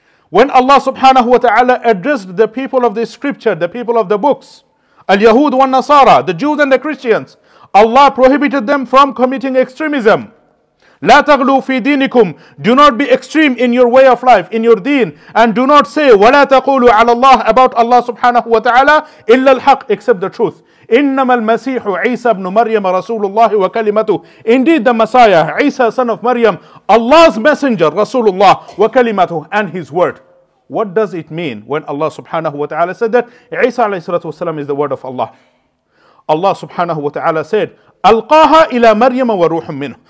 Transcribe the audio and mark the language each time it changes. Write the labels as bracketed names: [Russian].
[English] When Allah subhanahu wa ta'ala addressed the people of the scripture, the people of the books, al-Yahud wa al-Nasara, the Jews and the Christians, Allah prohibited them from committing extremism. [Arabic] لا تغلو في دينكم. [English] Do not be extreme in your way of life, in your deen. And do not say [Arabic] ولا تقولوا على الله [English] about Allah subhanahu wa ta'ala [Arabic] إلا الحق, [English] except the truth. [Arabic] إنما المسيح عيسى بن مريم رسول الله وكلمته. [English] Indeed the Messiah, عيسى son of Maryam, Allah's messenger, [Arabic] رسول الله وكلمته, [English] and his word. What does it mean when Allah subhanahu wa ta'ala said that? عيسى [Arabic] عليه الصلاة والسلام [English] is the word of Allah. Allah subhanahu wa ta'ala said, [Arabic] أَلْقَاهَا إِلَى مَرْيَمَ وَرُوحٌ مِّنْهُ.